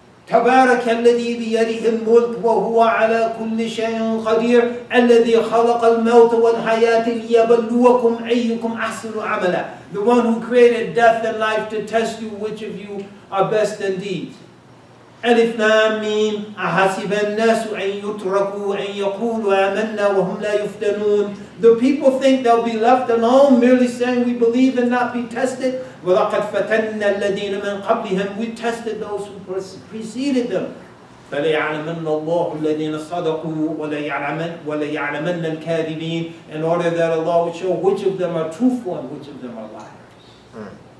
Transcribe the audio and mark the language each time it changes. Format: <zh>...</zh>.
<ar>تبارك الذي بيده الملك وهو على كل شيء قدير الذي خلق الموت والحياة ليبلوكم أيكم أحسن عملا.</ar> <en>The one who created death and life to test you which of you are best indeed.</en> <ar>ألف لام ميم أحسب الناس أن يتركوا أن يقولوا آمنا وهم لا يفتنون.</ar> <en>Do people think they'll be left alone merely saying we believe and not be tested?</en> <ar>وَلَقَدْ فَتَنَّ الَّذِينَ مِنْ قَبْلِهِمْ.</ar> <en>We tested those who preceded them.</en> <ar>فَلَيَعْلَمَنَّ اللَّهُ الَّذِينَ صَدَقُوا وَلَيَعْلَمَنَّ الْكَاذِبِينَ.</ar> <en>In order that Allah would show which of them are truthful and which of them are liars.</en>